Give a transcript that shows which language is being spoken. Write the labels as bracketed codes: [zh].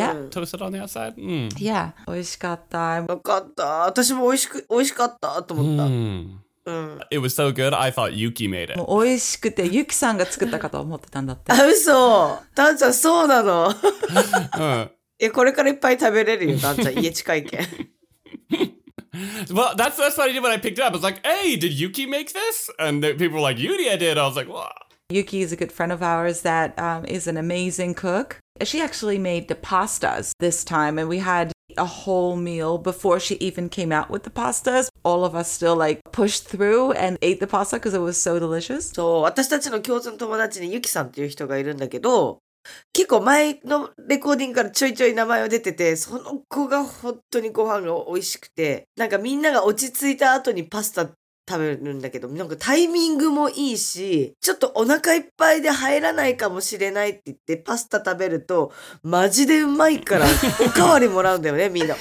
[en] toasted on the outside. [ja] Yeah, 美味しかった。わかった。私も美味しかったと思った。 [en] It was so good, I thought Yuki made it. [ja] もう美味しくて、ユキさんが作ったかと思ってたんだって。あ、嘘。ダンちゃん、そうなの。え、これからいっぱい食べれるよ、ダンちゃん。家近いけん。 [en] Well, that's what I did when I picked it up. I was like, hey, did Yuki make this? And people were like, Yuri, I did. I was like, wow. Yuki is a good friend of ours that is an amazing cook. She actually made the pastas this time, and we had... a whole meal before she even came out with the pastas. All of us still like pushed through and ate the pasta because it was so delicious. [ja] そう、私たちの共通の友達にユキさんっていう人がいるんだけど、結構前のレコーディングからちょいちょい名前は出てて、その子が本当にご飯が美味しくて、なんかみんなが落ち着いた後にパスタ食べるんだけど、なんかタイミングもいいし、ちょっとお腹いっぱいで入らないかもしれないって言ってパスタ食べるとマジでうまいからおかわりもらうんだよね、みんな。